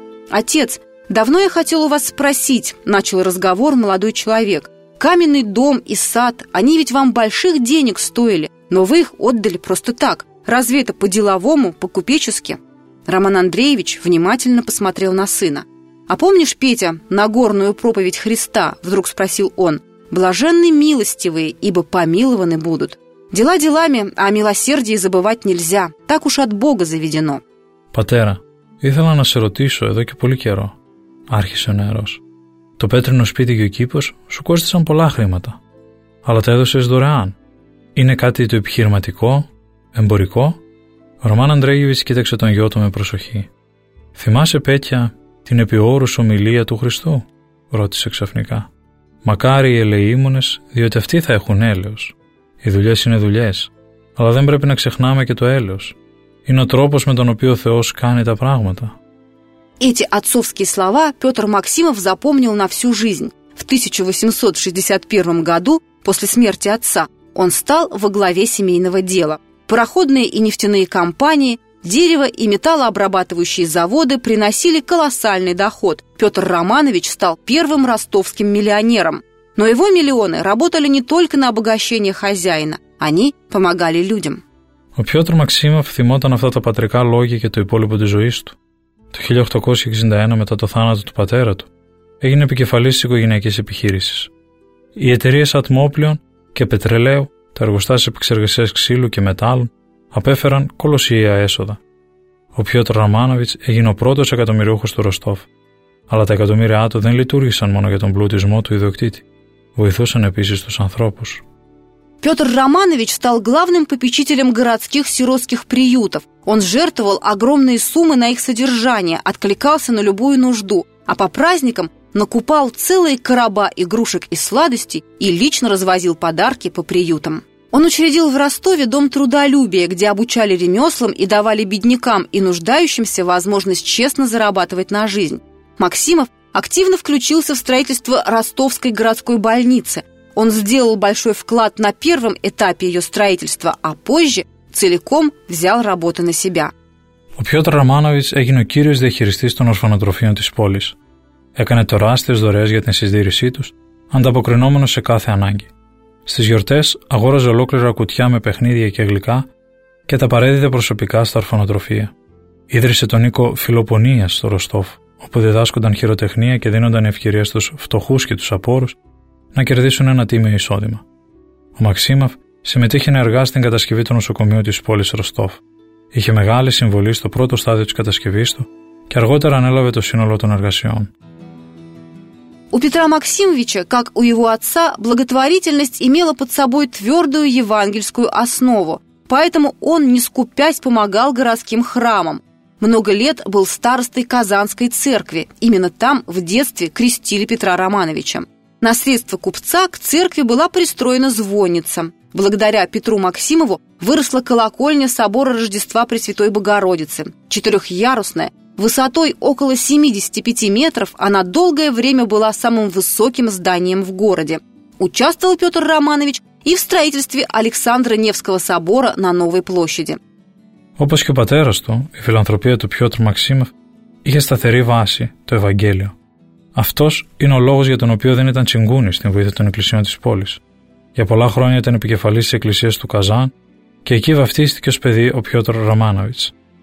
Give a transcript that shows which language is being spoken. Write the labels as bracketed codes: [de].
[ru] Отец, давно я хотел у вас спросить, начал разговор молодой человек. Каменный дом и сад, они ведь вам больших денег стоили, но вы их отдали просто так. Разве это по-деловому, по-купечески? Роман Андреевич внимательно посмотрел на сына. «А помнишь, Петя, нагорную проповедь Христа?» – вдруг спросил он. «Блаженны милостивые, ибо помилованы будут. Дела делами, а о милосердии забывать нельзя. Так уж от Бога заведено». [el] «Патера, ήθελα να σε ρωτήσω εδώ και πολύ καιρό», – άρχισε ο νεαρός. «Το πέτρινο σπίτι και ο κήπος σου κόστησαν πολλά χρήματα, αλλά τα έδωσες δωρεάν. Είναι κάτι το επιχειρηματικό, εμπορικό?» Ο Ρωμάν Αντρέγεβιτς κοίταξε τον γιο του με προσοχή. «Θυμάσαι, Πέτια, την επιόρους ομιλία του Χριστού?» ρώτησε ξαφνικά. «Μακάρι οι ελεήμονες, διότι αυτοί θα έχουν έλεος. Οι δουλειές είναι δουλειές, αλλά δεν πρέπει να ξεχνάμε και το έλεος. Είναι ο τρόπος με τον οποίο ο Θεός κάνει τα πράγματα». [ru] Эти отцовские слова Петр Максимов запомнил на всю жизнь. В 1861 году, после смерти отца, он стал во главе семейного дела. Пароходные и нефтяные компании, дерево- и металлообрабатывающие заводы приносили колоссальный доход. Петр Романович стал первым ростовским миллионером. Но его миллионы работали не только на обогащение хозяина, они помогали людям. [el] Ο Пётр Максимов θυμόταν αυτά τα πατρικά λόγια και το υπόλοιπο της ζωής του. Το 1861, μετά το θάνατο του πατέρα του, έγινε επικεφαλής της οικογενειακής επιχείρησης. Οι εταιρείες ατμόπλοιων και πετρελαίου, τα εργοστάσια επεξεργασίας ξύλου και μετάλλων απέφεραν κολοσσιαία έσοδα. Ο Πιότρ Ραμάνοβιτς έγινε ο πρώτος εκατομμυριούχος του Ροστόφ. Αλλά τα εκατομμύρια του δεν λειτουργήσαν μόνο για τον πλουτισμό του ιδιοκτήτη. Βοηθούσαν επίσης τους ανθρώπους. [ru] Петр Романович стал главным попечителем городских сиротских приютов. Он жертвовал огромные суммы на их содержание, откликался на любую нужду, а по праздникам накупал целые короба игрушек и сладостей и лично развозил подарки по приютам. Он учредил в Ростове дом трудолюбия, где обучали ремеслам и давали беднякам и нуждающимся возможность честно зарабатывать на жизнь. Максимов активно включился в строительство Ростовской городской больницы. Он сделал большой вклад на первом этапе ее строительства, а позже целиком взял работу на себя. [el] Ο Πιότρ Ραμάνοβιτς έγινε ο κύριος διαχειριστής των ορφανοτροφείων της πόλης. Έκανε τεράστιες δωρεές για την συντήρησή τους, ανταποκρινόμενος σε κάθε ανάγκη. Στις γιορτές αγόραζε ολόκληρα κουτιά με παιχνίδια και γλυκά και τα παρέδιδε προσωπικά στα ορφανοτροφεία. Ίδρυσε τον οίκο Φιλοπονίας στο Ροστόφ, όπου διδάσκονταν χειροτεχνία και δίνονταν ευκαιρία στους φτωχούς και τους απόρους να κερδίσουν ένα τίμιο εισόδημα. Ο Μαξίμαφ συμμετείχε ενεργά στην κατασκευή του νοσοκομείου της πόλης Ροστόφ. Είχε μεγάλη συμβολή στο πρώτο στάδιο της κατασκευής του και αργότερα ανέλαβε το σύνολο των εργασιών. [ru] У Петра Максимовича, как у его отца, благотворительность имела под собой твердую евангельскую основу, поэтому он, не скупясь, помогал городским храмам. Много лет был старостой Казанской церкви, именно там в детстве крестили Петра Романовича. На средства купца к церкви была пристроена звонница. Благодаря Петру Максимову выросла колокольня собора Рождества Пресвятой Богородицы, четырехъярусная. Высотой около 75 метров она долгое время была самым высоким зданием в городе. Участвовал Петр Романович и в строительстве Александра Невского собора на Новой площади. [el] Όπως και ο πατέρας του, η φιλανθρωπία του Πιότρ Μαξίμοφ είχε σταθερή βάση το Ευαγγέλιο. Αυτός είναι ο λόγος για τον οποίο δεν ήταν τσιγκούνης στην βοήθεια των εκκλησιών της πόλης. Για πολλά χρόνια ήταν επικεφαλής της εκκλησίας του Καζάν και εκεί βαφτίστηκε ως παιδί ο Πιότρ Ρωμάνοβιτς.